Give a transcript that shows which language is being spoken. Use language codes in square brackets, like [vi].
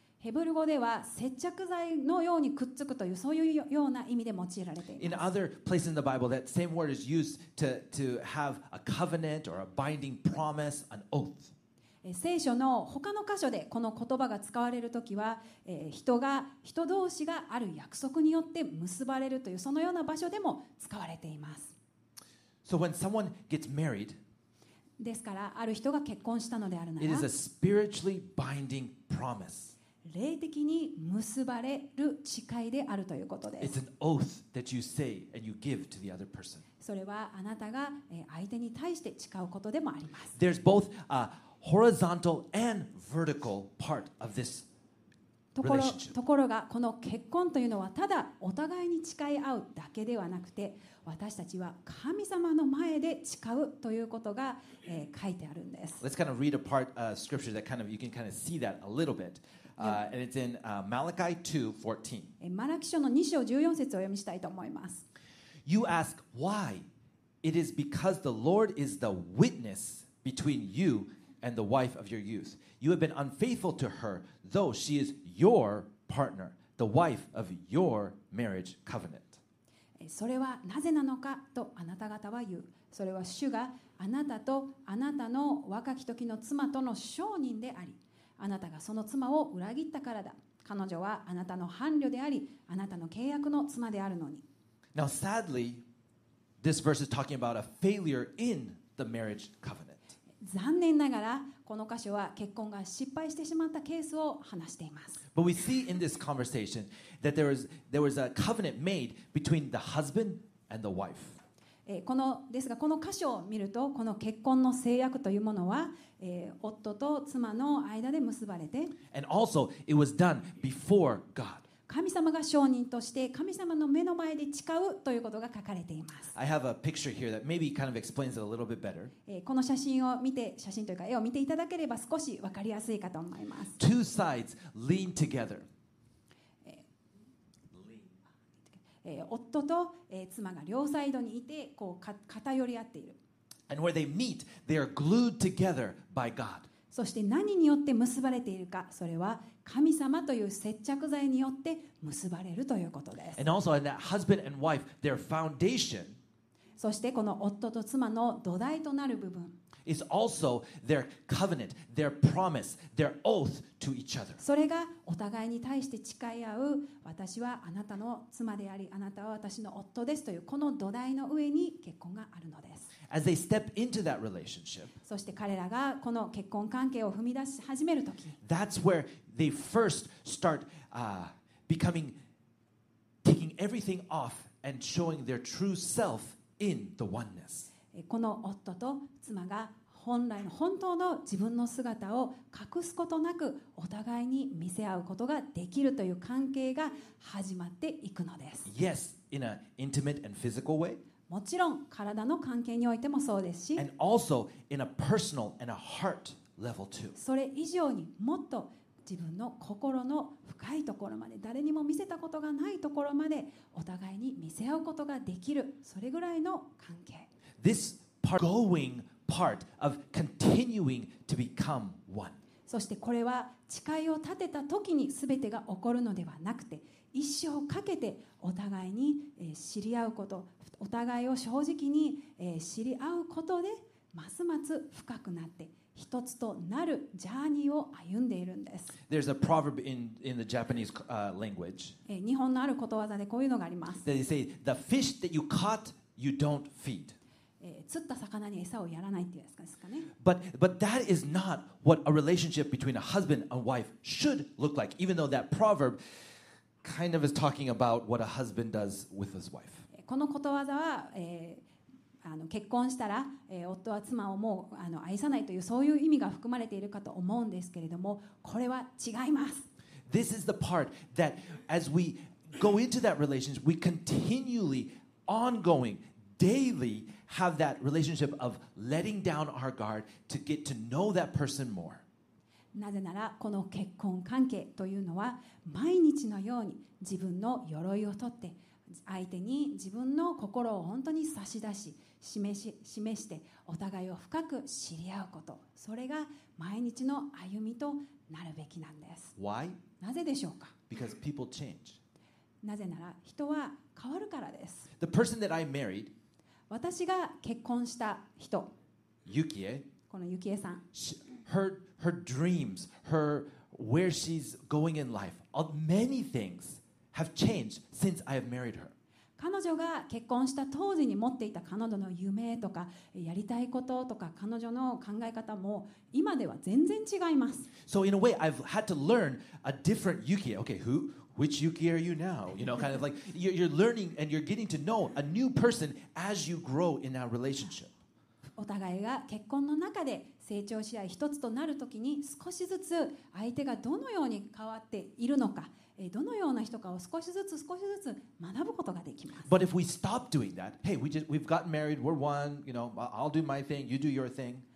[ja] ヘブル語では接着剤のようにくっつくというそういうような意味で用いられています。 [en] In other places in the Bible, that same word is used to have a covenant or a binding promise, an oath. [ja] 聖書の他の箇所でこの言葉が使われるときは、人同士がある約束によって結ばれるというそのような場所でも使われています。 [en] So when someone gets married, [ja] ですからある人が結婚したのであるなら、 [en] it is a spiritually binding promise. [ja] 霊的に結ばれる誓いであるということです。 [en] It's an oath that you say and you give to the other person. [ja] それはあなたが相手に対して誓うことでもあります。 [en] There's both a horizontal and vertical part of this relationship. [ja] ところがこの結婚というのはただお互いに誓い合うだけではなくて、私たちは神様の前で誓うということが書いてあるんです。 [en] Let's kind of read a part of scripture that kind of you can kind of see that a little bit. And it's in Malachi 2:14. [ja] マラキ書の2章14節を読みしたいと思います。 [en] You ask why? It is because the Lord is the witness between you and the wife of your youth. You have been unfaithful to her, though she is your partner, the wife of your marriage covenant. [ja] それはなぜなのかとあなた方は言う。それは主があなたとあなたの若き時の妻との証人であり。あなたがその妻を裏切ったからだ。彼女はあなたの伴侶であり、あなたの契約の妻であるのに。 [en] Now, sadly, this verse is talking about a failure in the marriage covenant. [ja] 残念ながら、この箇所は結婚が失敗してしまったケースを話しています。 [en] But we see in this conversation that there was a covenant made between the husband and the wife. [ja] このですがこの箇所を見るとこの結婚の誓約というものは、夫と妻の間で結ばれて [en] And also, it was done before God. [ja] 神様が証人として神様の目の前で誓うということが書かれています。 [en] I have a picture here that maybe kind of explains it a little bit better. [ja] この写真を見て写真というか絵を見ていただければ少し分かりやすいかと思います。 [en] Two sides lean together. [ja] 夫と、妻が両サイドにいてこう偏り合っている。 [en] And where they meet, they are glued together by God. [ja] そして何によって結ばれているか、それは神様という接着剤によって結ばれるということです。 [en] And also, and that husband and wife, their foundation, [ja] そしてこの夫と妻の土台となる部分。 [en] Is also their covenant, their promise, their oath to each other. [ja] それがお互いに対して誓い合う私はあなたの妻でありあなたは私の夫ですというこの土台の上に結婚があるのです。 [en] As they step into that relationship, [ja] そして彼らがこの結婚関係を踏み出し始めるとき [en] That's where they first start becoming taking everything off and showing their true self in the oneness. [ja] この夫と妻が本来の本当の自分の姿を隠すことなくお互いに見せ合うことができるという関係が始まっていくのです。 [en] Yes, in an intimate and physical way. [ja] もちろん体の関係においてもそうですし、 [en] and also in a personal and a heart level too. [ja] それ以上にもっと自分の心の深いところまで誰にも見せたことがないところまでお互いに見せ合うことができるそれぐらいの関係。 [en] This part, going part of continuing to become one. [ja] そしてこれは誓いを立てた時に全てが起こるのではなくて一生かけてお互いに知り合うことお互いを正直に知り合うことでますます深くなって一つとなるジャーニーを歩んでいるんです。 [en] There's a proverb in the Japanese language. [ja] 日本のあることわざでこういうのがあります。 [en] They say, the fish that you caught, you don't feed. [ja] 釣った魚に餌をやらないっていうですかね。 [en] But that is not what a relationship between a husband and wife should look like, even though that proverb kind of is talking about what a husband does with his wife. [ja] このことわざは、結婚したら、夫は妻をもう愛さないというそういう意味が含まれているかと思うんですけれども、これは違います。 [en] This is the part that as we go into that relationship, we continually, ongoing, daily,Have that relationship of letting down our guard to get to know that person more. [ja] なぜならこの結婚関係というのは毎日のように自分の鎧を取って相手に自分の心を本当に差し出し示してお互いを深く知り合うこと、それが毎日の歩みとなるべきなんです。 [en] Why? [ja] なぜでしょうか? [en] Because people change. [ja] なぜなら人は変わるからです。 [en] The person that I married. [ja] 私が結婚した人、ユキエ、このユキエさん、 [en] her dreams, her where she's going in life, of many things have changed since I have married her. [ja] 彼女が結婚した当時に持っていた彼女の夢とかやりたいこととか彼女の考え方も今では全然違います。 [en] So in a way, I've had to learn a different Yukie. Okay, who? Which Yuki are you now? You know, kind of like you're learning and you're getting to know a new person as you grow in our relationship. [ja] お互いが結婚の中で成長し合い一つとなるときに少しずつ相手がどのように変わっているのか、どのような人かを少しずつ少しずつ学ぶことができます。 [en] But if we stop doing that, hey, we've gotten married, we're one, you know, I'll do my thing, you do your thing.